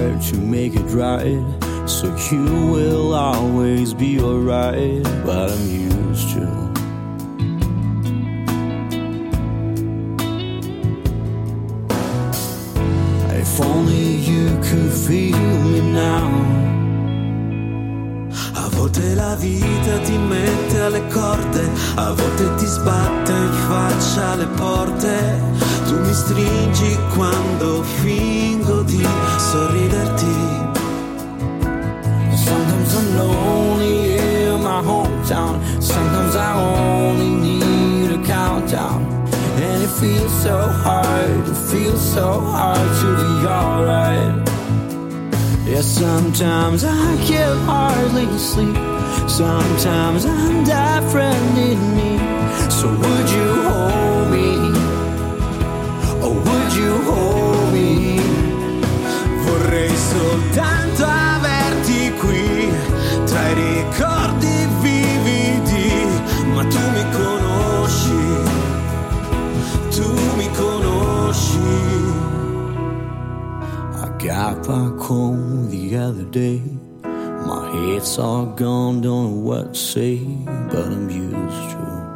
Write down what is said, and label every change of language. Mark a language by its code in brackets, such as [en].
[en] To make it right, so you will always be alright. But I'm used to. If only you could feel me now. [it] A volte la vita ti mette alle corde, a volte ti sbatte in faccia le porte. Tu mi stringi quando fingo di sorriderti. [en] Sometimes I'm lonely in my hometown. Sometimes I only need a countdown. And it feels so hard, it feels so hard to be alright. Yeah, sometimes I can hardly sleep. Sometimes I'm different in me. So would you hold me? You hold me. [it] Vorrei soltanto averti qui tra i ricordi vividi, ma tu mi conosci, tu mi conosci. [en] I got back home the other day, my head's all gone, don't know what to say, but I'm used to.